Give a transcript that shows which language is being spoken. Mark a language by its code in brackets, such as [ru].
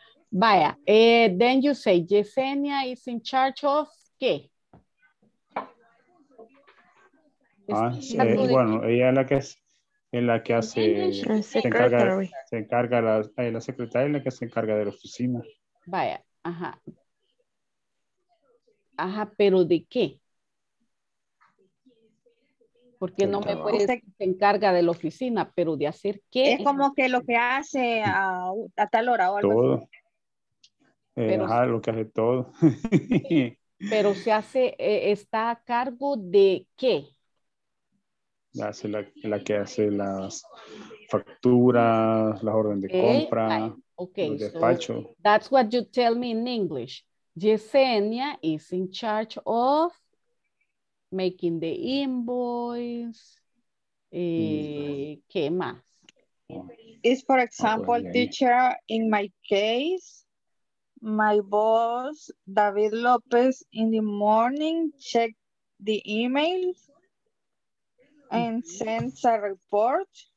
[es] Vaya, [en] then you say Yesenia is in charge of [es] qué? Ella es la que hace se encarga la secretaria es la que se encarga de la oficina. Vaya, ajá, pero ¿de qué? Porque no me puede decir que se encarga de la oficina, pero de hacer qué. Es como que lo que hace a tal hora o algo. Todo. Lo que hace todo. Pero se hace, está a cargo de qué. Hace la que hace las facturas, la orden de compra, el despacho. [en] So that's what you tell me in English. Yesenia is in charge of making the invoice. [es] ¿Qué más? [en] Is for example, teacher, in my case, my boss, David Lopez, in the morning, check the emails and sends a report.